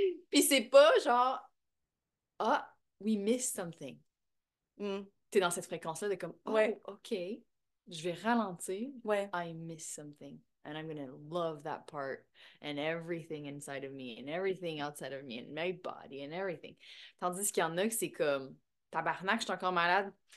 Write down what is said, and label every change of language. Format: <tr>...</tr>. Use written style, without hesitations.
<fr>Puis c'est pas genre, ah, oh,</fr> <en>we miss something.</en> <fr>T'es dans cette fréquence-là de comme, oh, Ouais. OK, je vais ralentir. Ouais.</fr> <en>I miss something. And I'm gonna love that part and everything inside of me and everything outside of me and my body and everything.</en> <fr>Tandis qu'il y en a que c'est comme tabarnak, je suis encore malade.</fr>